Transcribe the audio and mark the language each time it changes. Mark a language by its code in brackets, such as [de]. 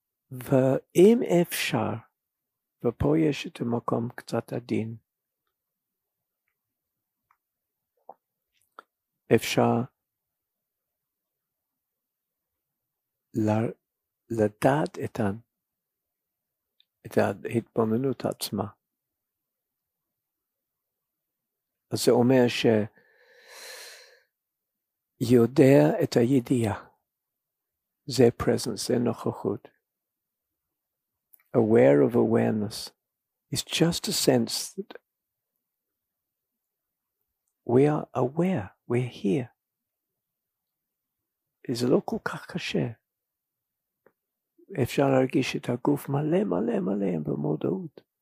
[he] ואם אפשר, ופה יש את המקום קצת עדין, אפשר לדעת את את ההתבוננות עצמה. אז זה אומר ש יודע את הידיעה. זה presence, זה נוכחות. [en] Aware of awareness. It's just a sense that we are aware, we're here. [he] זה לא כל כך קשה. אפשר להרגיש את הגוף מלא מלא מלא במודעות.